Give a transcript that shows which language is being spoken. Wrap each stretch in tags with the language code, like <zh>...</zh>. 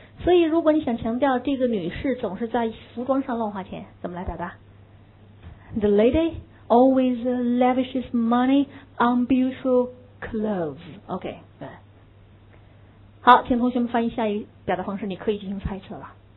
<zh>所以如果你想强调这个女士总是在服装上乱花钱，怎么来表达？</zh> <en>The lady always lavishes money on beautiful clothes.</en> <zh>OK, 对。好，请同学们翻译下一表达方式，你可以进行猜测了。</zh>